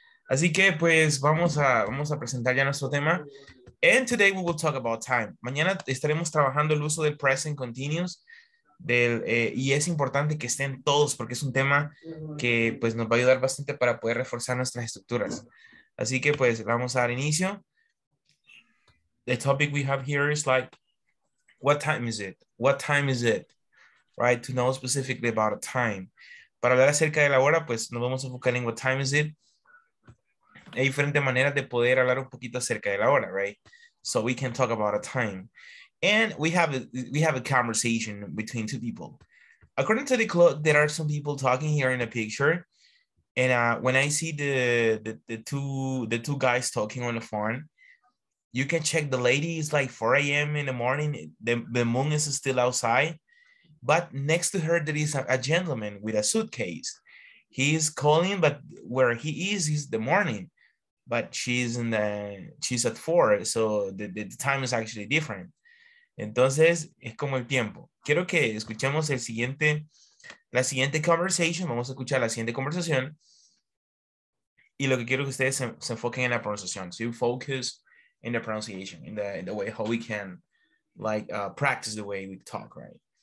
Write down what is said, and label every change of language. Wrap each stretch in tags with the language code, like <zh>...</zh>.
<es>Así que, pues, vamos a presentar ya nuestro tema.</es> <en>And today we will talk about time.</en> <es>Mañana estaremos trabajando el uso del present continuous. Y es importante que estén todos porque es un tema que, pues, nos va a ayudar bastante para poder reforzar nuestras estructuras. Así que, pues, vamos a dar inicio.</es> <en>The topic we have here is like, what time is it? Right, to know specifically about a time.</en> <es>Para hablar acerca de la hora, pues, nos vamos a enfocar en</es> <en>what time is it.</en> <es>Hay diferentes maneras de poder hablar un poquito acerca de la hora,</es> <en>right? So we can talk about a time. And we have a conversation between two people. According to the clock, there are some people talking here in the picture. And when I see the two guys talking on the phone, you can check the lady. It's like 4 a.m. in the morning. The moon is still outside. But next to her, there is a gentleman with a suitcase. He is calling, but where he is the morning. But she's at 4, so the time is actually different.</en> <es>Entonces, es como el tiempo. Quiero que escuchemos la siguiente conversation. Vamos a escuchar la siguiente conversación. Y lo que quiero que ustedes se enfoquen en la pronunciación.</es> <en>So you focus in the pronunciation, in the way how we can, like, practice the way we talk, right?</en>